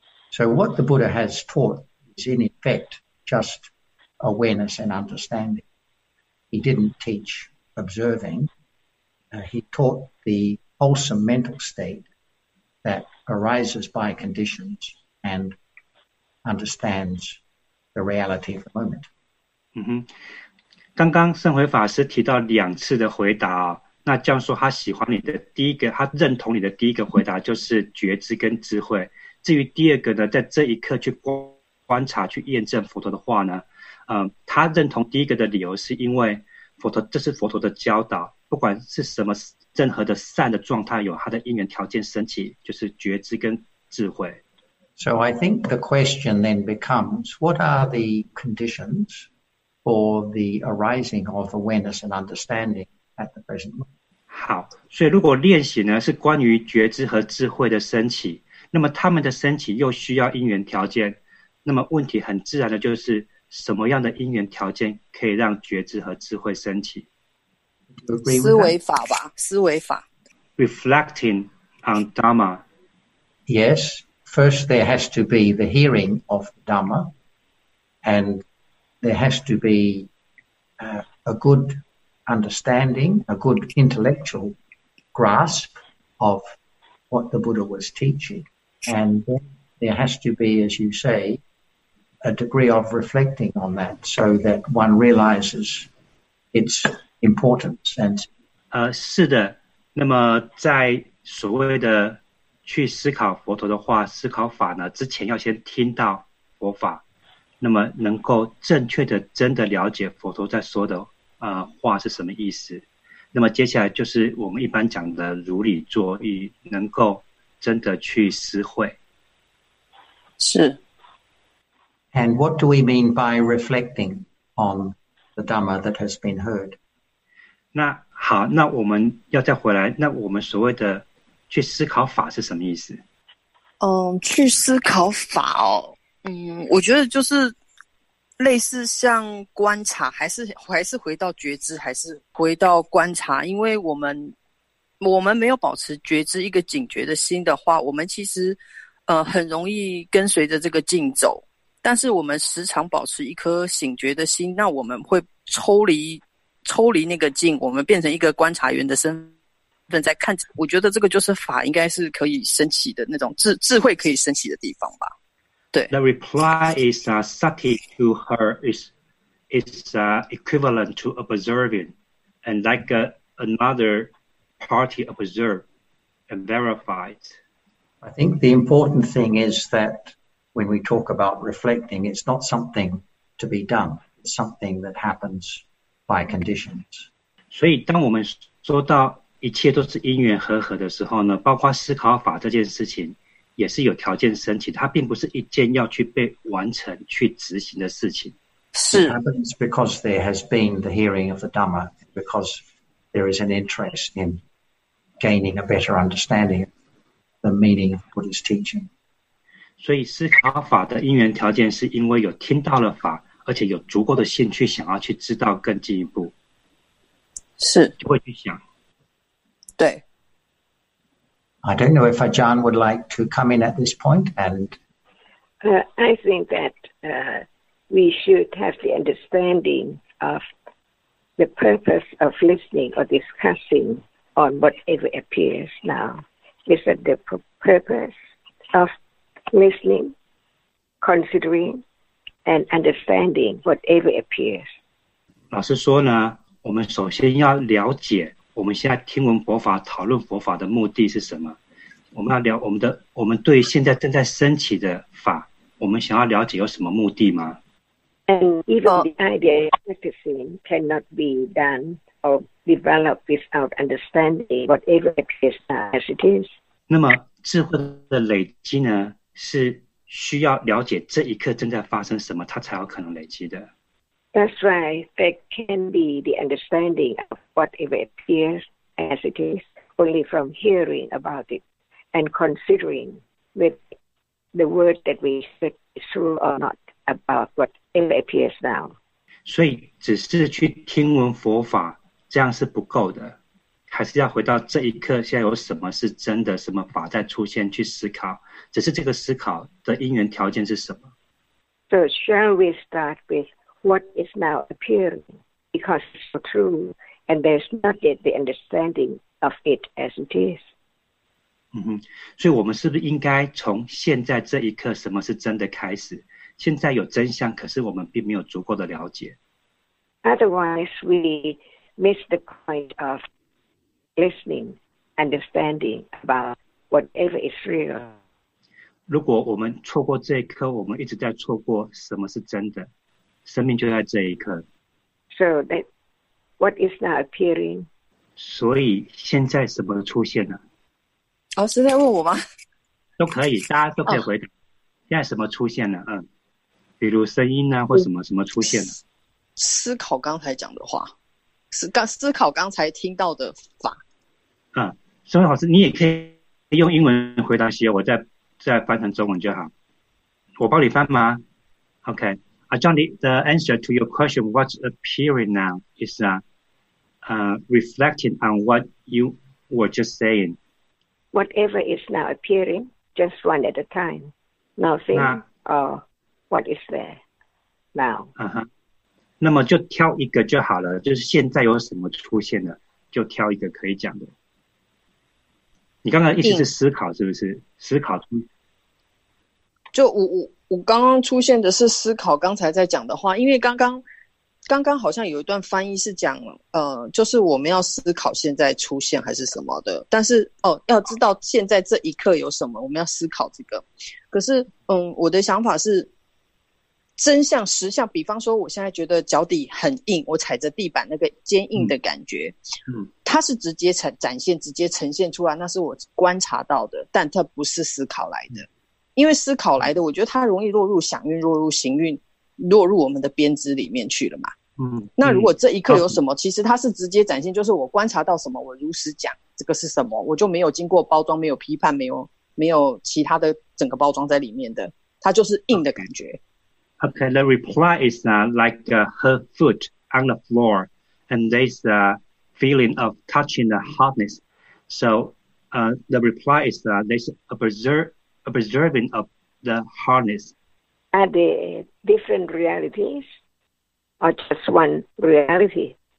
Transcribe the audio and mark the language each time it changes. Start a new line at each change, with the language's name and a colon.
English: So what the Buddha has taught is in effect just awareness and understanding. He didn't teach observing. He taught the wholesome mental state that arises by conditions and understands the reality of the moment.
Chinese: 刚刚圣辉法师提到两次的回答，那教授他喜欢你的第一个，他认同你的第一个回答就是觉知跟智慧。至于第二个呢，在这一刻去观察去验证佛陀的话呢，他认同第一个的理由是因为佛陀，这是佛陀的教导，不管是什么任何的善的状态，有他的因缘条件升起，就是觉知跟智慧。
English: So I think the question then becomes, what are the conditions for the arising of awareness and understanding at the present moment?
Chinese: 好，所以如果练习呢是关于觉知和智慧的升起，那么他们的升起又需要因缘条件，那么问题很自然的就是什么样的因缘条件可以让觉知和智慧升起？思维法吧，思维法。
English: Reflecting on Dhamma. Yes, first there has to be the hearing of Dhamma, and there has to be a good understanding, a good intellectual grasp of what the Buddha was teaching. And there has to be, as you say,a degree of reflecting on that so that one realizes its importance. And,
Chinese: 是的，那么在所谓的去思考佛陀的话，思考法呢，之前要先听到佛法，那么能够正确的真的了解佛陀在说的话是什么意思。那么接下来就是我们一般讲的如理作意，能够真的去思会。是。
English: And what do we mean by reflecting on the Dhamma that has been heard?
Chinese: 那好，那我们要再回来，那我们所谓的去思考法是什么意思？去思考法哦，我觉得就是类似像观察，还是回到觉知，还是回到观察，因为我们没有保持觉知一个警觉的心的话，我们其实很容易跟随着这个境走。但是我们时常保持一颗醒觉的心，那我们会抽离那个境，我们变成一个观察员的身份在看。我觉得这个就是法应该是可以升起的那种智慧可以升起的地方吧。对。
English: The reply is sati to her is equivalent to observing and like another party observe and verified. I think the important thing is that. When we talk about reflecting, it's not something to be done. It's something that happens by conditions.
Chinese: 所以当我们说到一切都是因缘和合的时候呢，包括思考法这件事情也是有条件申请，它并不是一件要去被完成去执行的事情。是。
English: It happens because there has been the hearing of the Dhamma, because there is an interest in gaining a better understanding of the meaning of Buddha's teaching.
Chinese: 所以思考法的因缘条件是因为有听到了法，而且有足够的兴趣想要去知道更进一步，是就会去想。对。
English: I don't know if Ajahn would like to come in at this point, and I think that we should have the understanding of the purpose of listening or discussing on whatever appears now. Is that the purpose of listening, considering, and understanding whatever appears.
Chinese: 老师说呢，我们首先要了解我们现在听闻佛法、讨论佛法的目的是什么。我们要了解我们对现在正在升起的法，我们想要了解有什么目的吗？
English: And even the idea of practicing cannot be done or developed without understanding whatever appears as it is.
Chinese: 那么智慧的累积呢？是需要了解这一刻正在发生什么，它才有可能累积的。
English: That's right. There can be the understanding of whatever appears as it is only from hearing about it and considering with the word that we speak through or not about whatever appears now.
Chinese: 所以只是去听闻佛法，这样是不够的，还是要回到这一刻，现在有什么是真的，什么法在出现，去思考。只是这个思考的因缘条件是什么？
English: So shall we start with what is now appearing because it's so true and there's not yet the understanding of it as it is.
Chinese: 所以我们是不是应该从现在这一刻什么是真的开始？现在有真相，可是我们并没有足够的了解。
English: Otherwise, we miss the point of listening, understanding about whatever is real.
Chinese: 如果我们错过这一刻，我们一直在错过什么是真的，生命就在这一刻。
English: So that what is now appearing?
Chinese: 所以现在什么出现了？哦，是在问我吗？都可以，大家都可以回答。哦、现在什么出现了？嗯，比如声音啊，或什么什么出现了。思考刚才讲的话，思考刚才听到的法。嗯，所以老师，你也可以用英文回答些，我再翻成中文就好。我帮你翻吗
English: ？OK， John, the answer to your question, what's appearing now, is reflecting on what you were just saying. Whatever is now appearing, just one at a time, nothing or what is there now. 嗯哼。
Chinese: 那么就挑一个就好了，就是现在有什么出现了，就挑一个可以讲的。你刚刚一直是思考是不是？思考出，就我刚刚出现的是思考刚才在讲的话，因为刚刚好像有一段翻译是讲，就是我们要思考现在出现还是什么的，但是哦，要知道现在这一刻有什么，我们要思考这个。可是，我的想法是。真相实相，比方说我现在觉得脚底很硬，我踩着地板那个坚硬的感觉，它是直接展现直接呈现出来，那是我观察到的，但它不是思考来的。因为思考来的，我觉得它容易落入想运，落入行运，落入我们的编织里面去了嘛。那如果这一刻有什么，其实它是直接展现，就是我观察到什么，我如实讲这个是什么，我就没有经过包装，没有批判，没有其他的整个包装在里面的，它就是硬的感觉。
English: Okay, the reply is her foot on the floor, and there's a feeling of touching the hardness. So the reply is there's observing of the hardness. Are they different realities or just one reality?